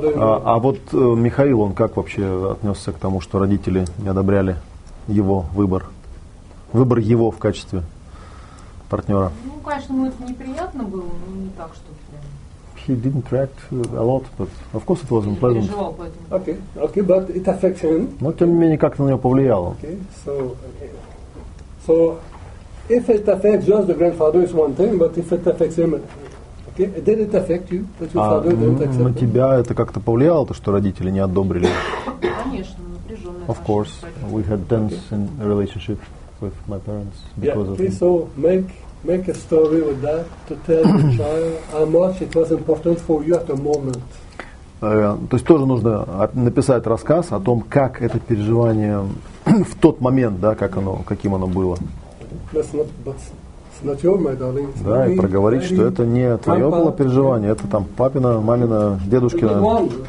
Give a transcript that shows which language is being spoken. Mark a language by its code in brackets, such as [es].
[ru] А вот Михаил, он как вообще отнесся к тому, что родители не одобряли его выбор? Выбор его в качестве партнера? Ну, конечно, ему это неприятно было, но не так, что [en] he didn't react a lot, but of course it wasn't pleasant. Okay, but it affects him. [ru] Но тем не менее как-то на него повлияло. [en] Okay, so if it affects just the grandfather is one thing, but if it affects him, okay, did it affect you that your father didn't accept him? [ru] На тебя это как-то повлияло, то что родители не одобрили? Конечно, напряженное. [en] Of course, we had tense in relationship with my parents because of him. Yeah, okay, so make a story with that to tell the child how much it was important for you at the moment. [ru] То есть тоже нужно написать рассказ о том, как это переживание в тот момент, да, как оно, каким оно было. [en] That's not your, my darling. [ru] Да, и проговорить, что это не твое было переживание, это там папина, мамина, дедушкина.